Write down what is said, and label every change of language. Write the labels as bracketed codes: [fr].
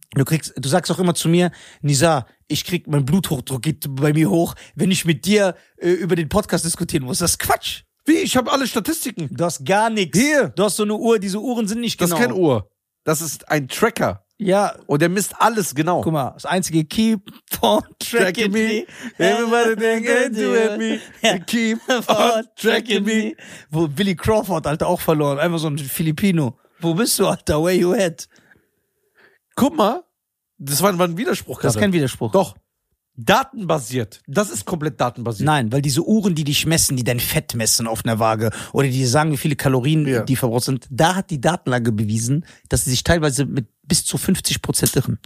[de] Du sagst auch immer zu mir, Nisa, ich krieg, mein Bluthochdruck geht bei mir hoch, wenn ich mit dir über den Podcast diskutieren muss. Das ist Quatsch. Wie? Ich habe alle Statistiken. Du hast gar nichts. Hier. Du hast so eine Uhr, diese Uhren sind nicht genau. Das ist keine Uhr. Das ist ein Tracker. Ja. Und der misst alles genau. Guck mal, das einzige, [en] keep on tracking me. Everybody think you and me. Keep on tracking me. [de] Wo Billy Crawford, Alter, auch verloren. Einfach so ein Filipino. Wo bist du, Alter? [en] Where you at? [de] Guck mal, das war ein Widerspruch gerade. Das ist kein Widerspruch. Doch. Datenbasiert. Das ist komplett datenbasiert. Nein, weil diese Uhren, die dich messen, die dein Fett messen auf einer Waage oder die sagen, wie viele Kalorien die verbraucht sind, da hat die Datenlage bewiesen, dass sie sich teilweise mit bis zu 50% irren.